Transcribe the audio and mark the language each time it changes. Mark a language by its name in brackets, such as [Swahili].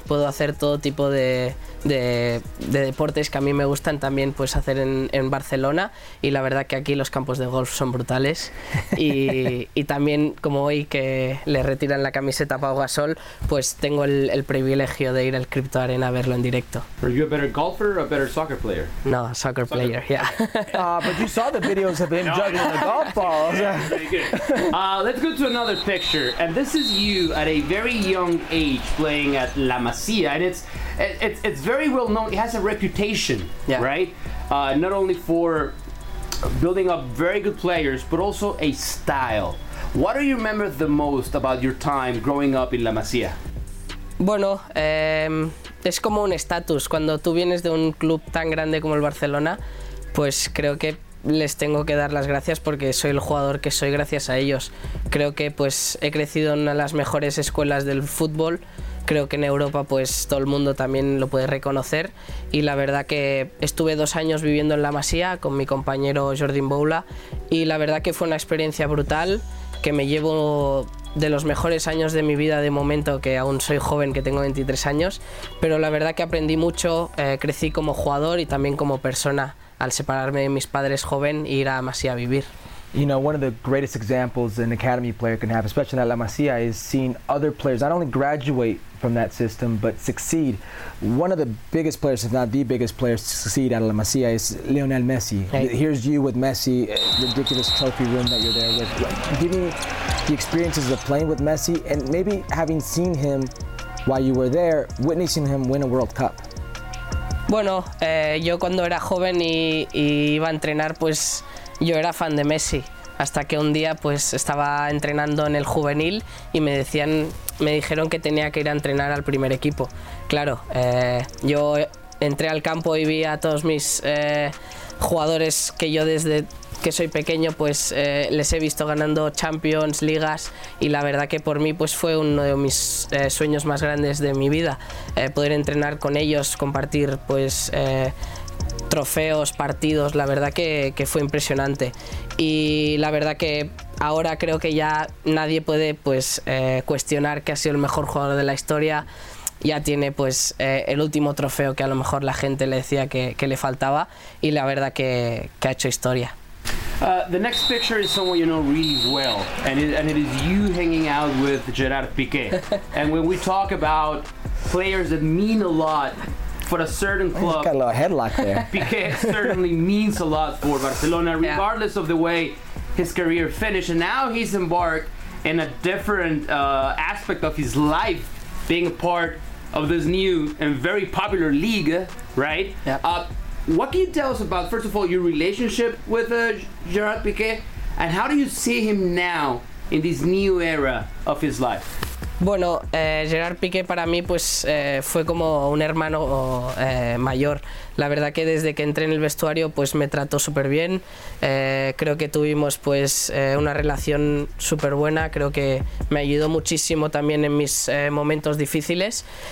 [Spanish] Puedo hacer todo tipo de deportes que a mí me gustan también pues hacer en Barcelona y la verdad que aquí los campos de golf son brutales y también como hoy que le retiran la camiseta a Pau Gasol, pues tengo el privilegio de ir al Crypto Arena a verlo en directo. [English] Are you a better golfer or a better soccer player? No, soccer player, yeah. But you saw the videos of him juggling the golf balls. Let's go to another picture, and this is you at a very young age playing at La Masia, and it's very well known. It has a reputation, yeah, right? Not only for building up very good players, but also a style. What do you remember the most about your time growing up in La Masia? [Spanish] Bueno, es como un estatus. Cuando tú vienes de un club tan grande como el Barcelona, pues creo que les tengo que dar las gracias porque soy el jugador que soy gracias a ellos. Creo que pues he crecido en una de las mejores escuelas del fútbol. Creo que en Europa pues todo el mundo también lo puede reconocer y la verdad que estuve 2 años viviendo en La Masía con mi compañero Jordi Boula y la verdad que fue una experiencia brutal que me llevo de los mejores años de mi vida de momento, que aún soy joven, que tengo 23 años, pero la verdad que aprendí mucho, crecí como jugador y también como persona al separarme de mis padres joven e ir a La Masía a vivir. [English] You know, one of the greatest examples an academy player can have, especially at La Masia, is seeing other players not only graduate from that system, but succeed. One of the biggest players, if not the biggest players, to succeed at La Masia is Lionel Messi. Hey. Here's you with Messi, ridiculous trophy room that you're there with. Give me the experiences of playing with Messi and maybe having seen him while you were there, witnessing him win a World Cup. [Spanish] Bueno, yo cuando era joven y iba a entrenar, pues yo era fan de Messi, hasta que un día pues estaba entrenando en el juvenil y me dijeron que tenía que ir a entrenar al primer equipo. Claro, yo entré al campo y vi a todos mis jugadores que yo desde que soy pequeño pues les he visto ganando Champions, Ligas y la verdad que por mí pues fue uno de mis sueños más grandes de mi vida, poder entrenar con ellos, compartir pues trofeos, partidos, la verdad que fue impresionante y la verdad que ahora creo que ya nadie puede pues cuestionar que ha sido el mejor jugador de la historia, ya tiene pues el último trofeo que a lo mejor la gente le decía que le faltaba y la verdad que ha hecho historia. [English] The next picture is someone you know really well, and it is you hanging out with Gerard Piqué. And when we talk about players that mean a lot for a certain club, he's got a little headlock there. Piqué certainly means a lot for Barcelona, regardless of the way his career finished. And now he's embarked in a different aspect of his life, being a part of this new and very popular league, right? Yeah. What can you tell us about, first of all, your relationship with Gerard Piqué, and how do you see him now in this new era of his life? [Spanish] Bueno, Gerard Piqué para mí pues fue como un hermano mayor. La verdad que desde que entré en el vestuario pues me trató súper bien. Creo que tuvimos pues una relación súper buena. Creo que me ayudó muchísimo también en mis momentos difíciles.